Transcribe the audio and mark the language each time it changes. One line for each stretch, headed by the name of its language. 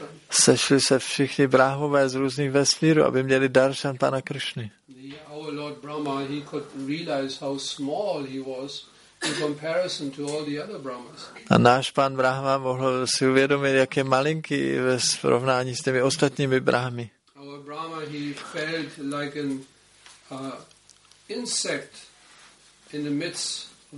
Czech: sešli se všichni brahmové z různých vesmíru, aby měli darshan pana Kršny.
English: Our Lord Brahma, he could realize how small he was in comparison to all the other brahmas.
Czech: A náš pán Brahma mohl si uvědomit, jak je malinký ve srovnání s těmi ostatními brahmy.
English: Our Brahma, he felt like an insect in the midst.